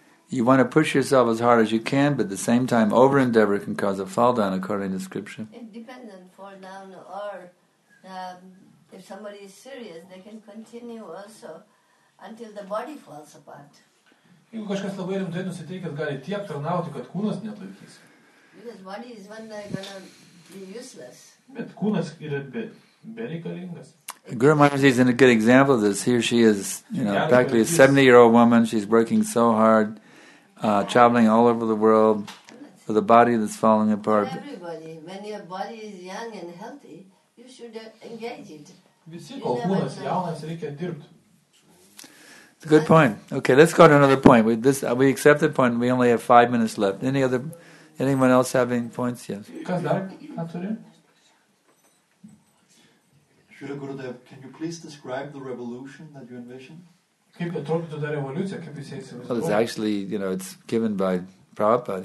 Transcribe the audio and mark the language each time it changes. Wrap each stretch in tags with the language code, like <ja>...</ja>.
<en>You want to push yourself as hard as you can, but at the same time, over-endeavor can cause a fall down, according to scripture. It depends on fall down, or if somebody is serious, they can continue also until the body falls apart.</en> <lt>Jeigu kažkas labai rimtai nusiteikęs, gali tiek tarnauti, kad kūnas neatlaikys.</lt> <en>Because body is one day going to be useless.</en> <lt>bereikalingas.</lt> <en>Guru Maharaj is in a good example of this. Here she is, you know, practically a 70-year-old woman. She's working so hard, traveling all over the world with a body that's falling apart. Everybody, when your body is young and healthy, you should engage it.</en> <lt>Visi, kol kūnas jaunas, reikia dirbti.</lt> <en>It's a good point. Okay, let's go to another point. We accept the point. We only have 5 minutes left. Any other... Anyone else having points? Yes. Srila Gurudev, can you please describe the revolution that you envision? Well, it's actually, you know, it's given by Prabhupada.</en>